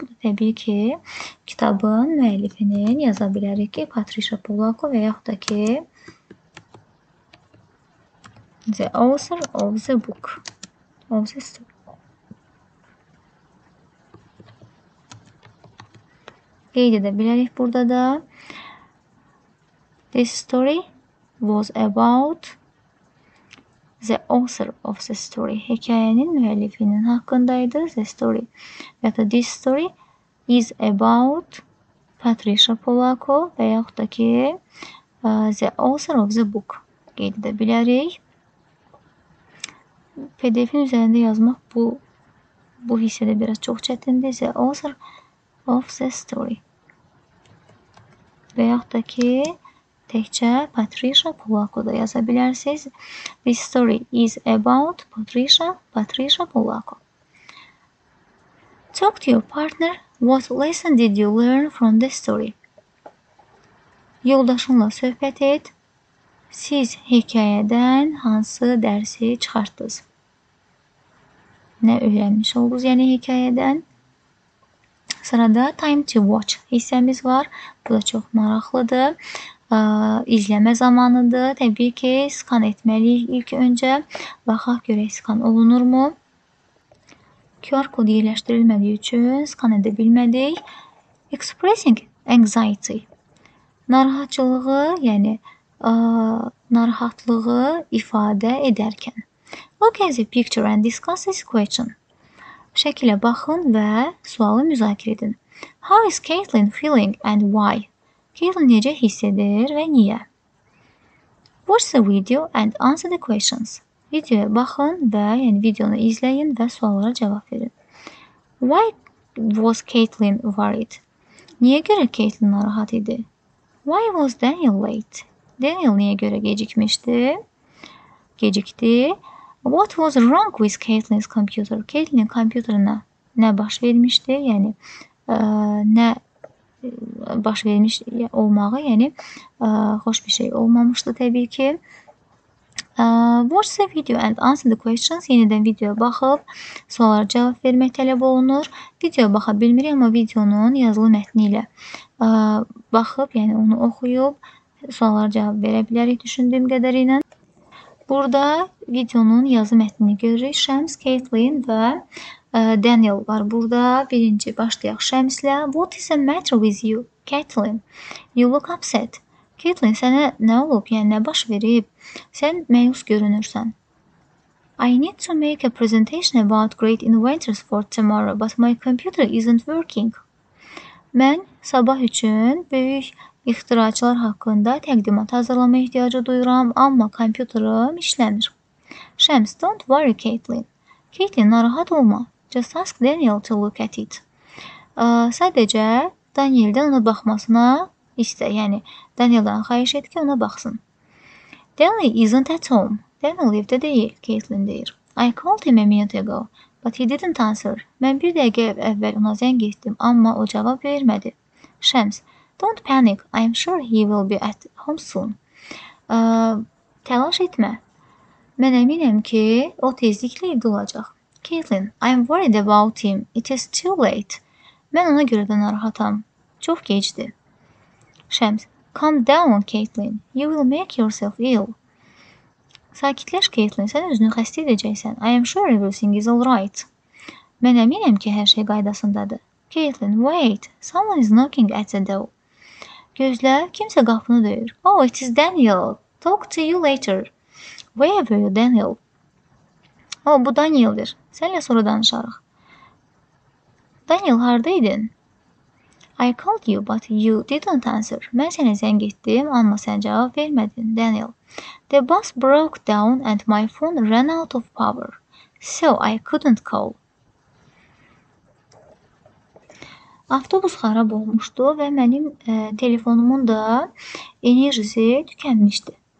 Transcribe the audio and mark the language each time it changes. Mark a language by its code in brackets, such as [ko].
[az] Bu da təbii ki, kitabın müəllifinin, yaza bilərik ki, Patricia Polacco və yaxud da ki, [en] the author of the book, of the story. [az] Qeyd edə bilərik burada da. [en] This story was about the author of the story. [az] Hekayənin müəllifinin haqqındaydı. [en] The story. Yəni, this story is about Patricia Polacco [az] və yaxud da ki, [en] the author of the book. [az] Qeyd edə bilərik. PDF-in üzərində yazmaq bu hissədə biraz çox çətindir. [en] The author of the story. [az] Və yaxud da ki, təkcə Patricia Polacco da yaza bilərsiniz. [en] This story is about Patricia Polacco. Talk to your partner. What lesson did you learn from the story? [az] Yoldaşınla söhbət et. Siz hekayədən hansı dərsi çıxartdınız? Nə öyrənmiş oldunuz yəni hekayədən? Sırada [en] time to watch [az] hissəmiz var. Bu da çox maraqlıdır. İzləmə zamanıdır. Təbii ki, skan etməliyik ilk öncə. Baxaq görək, skan olunurmu? QR kod yerləşdirilmədiyi üçün skan edə bilmədik. [en] Expressing anxiety. [az] Narahatçılığı, yəni narahatlığı ifadə edərkən. [en] Look at the picture and discuss this question. [az] Şəkilə baxın və sualı müzakirə edin. [en] How is Caitlin feeling and why? [az] Caitlin necə hiss edir və niyə? [en] Watch the video and answer the questions. [az] Videoya baxın və yəni videonu izləyin və suallara cavab verin. [en] Why was Caitlin worried? [az] Niyə görə Caitlin narahat idi? [en] Why was Daniel late? [az] Daniel niyə görə gecikmişdi? Gecikdi. [en] What was wrong with Caitlin's computer? [az] Caitlin'in kompüterine nə baş vermişdi? Yəni, nə baş vermiş olmağı, yəni, xoş bir şey olmamışdı təbii ki. [en] Watch the video and answer the questions. [az] Yenidən videoya baxıb, suallara cavab vermək tələb olunur. Videoya baxa bilmirik, amma videonun yazılı mətni ilə baxıb, yəni onu oxuyub, suallara cavab verə bilərik düşündüyüm qədər ilə. Burada videonun yazı mətnini görürük. Şəms, Caitlin və Daniel var burada. Birinci başlayaq Şəmslə. [en] What is the matter with you, Caitlin? You look upset. [az] Caitlin, sənə nə olub, yəni nə baş verib? Sən məyus görünürsən. [en] I need to make a presentation about great inventors for tomorrow, but my computer isn't working. [az] Mən sabah üçün böyük İxtiracılar haqqında təqdimat hazırlama ehtiyacı duyuram, amma kompüterim işləmir. [en] Şəms, don't worry, Caitlin. [az] Caitlin, narahat olma. [en] Just ask Daniel to look at it. [az] Sadəcə Daniel'dən ona baxmasına istə, yəni Daniel'dan xayiş et ki, ona baxsın. [en] Daniel isn't at home. [az] Daniel evdə deyil, Caitlin deyir. [en] I called him a minute ago, but he didn't answer. [az] Mən bir dəqiqə əvvəl ona zəng etdim, amma o cavab vermədi. [en] Şəms, don't panic. I'm sure he will be at home soon. [az] Təlaş etmə. Mən əminəm ki, o tezliklə evdə olacaq. [en] Caitlin, I'm worried about him. It is too late. [az] Mən ona görə də narahatam. Çox gecdi. Şəms, [en] calm down, Caitlin. You will make yourself ill. [az] Sakitleş Caitlin, sen özünü xəstə edəcəksən. [en] I am sure everything is all right. [az] Mən əminəm ki, hər şey qaydasındadır. [en] Caitlin, wait. Someone is knocking at the door. [az] Gözlə, kimsə qapını döyür. [en] Oh, it is Daniel. Talk to you later. Where were you, Daniel? [az] Oh, bu Daniel'dir. Sənlə sonra danışarıq. Daniel, haradaydın? [en] I called you, but you didn't answer. [az] Mən sənə zəng etdim, amma sən cavab vermədin, Daniel. [en] The bus broke down and my phone ran out of power. So I couldn't call. [az] Avtobus xarab olmuşdu və mənim telefonumun da enerjisi tükənmişdi.